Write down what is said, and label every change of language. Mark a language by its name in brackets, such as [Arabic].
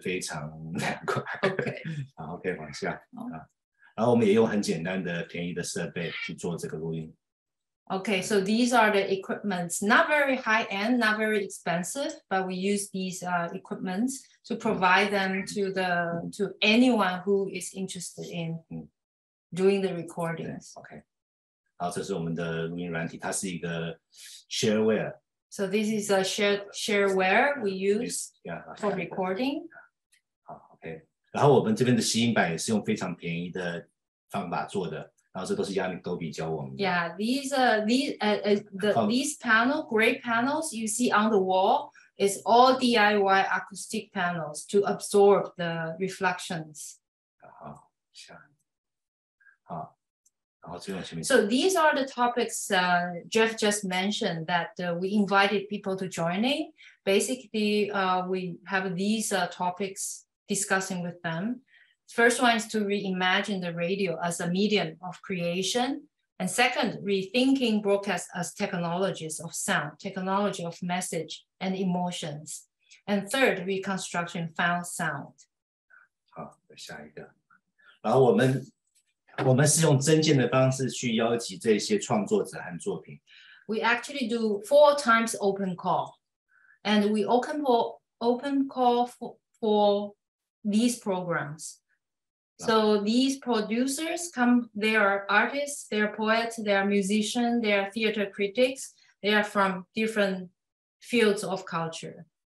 [Chinese] 有了这个壁纸，大家带头觉得非常凉快。 [English] Okay. [Chinese] 好，OK，往下。然后我们也用很简单的便宜的设备去做这个录音。 [English] Okay, so these are the equipments, not very high-end, not very expensive, but we use these equipments to provide them to anyone who is interested in doing the recordings. [Chinese] Okay. 好，这是我们的录音软体，它是一个 shareware. [English] So this is a shareware we use for recording. [Chinese] 好，OK. 然后我们这边的吸音板也是用非常便宜的方法做的。然后这都是亚米多比教我们的。 [English] Yeah, these panel, gray panels you see on the wall is all DIY acoustic panels to absorb the reflections. [Chinese] 好，下，好，啊， [English] So these are the topics Jeph just mentioned that we invited people to join in. Basically, we have these topics discussing with them. First one is to reimagine the radio as a medium of creation. And second, rethinking broadcast as technologies of sound, technology of message and emotions. And third, reconstruction found sound. [Chinese] 好，下一个。然后我们是用增建的方式去邀集这些创作者和作品。 [English] We actually do four times open call, and we open call for these programs. So these producers come, they are artists, they are poets, they are musicians, they are theater critics, they are from different fields of culture.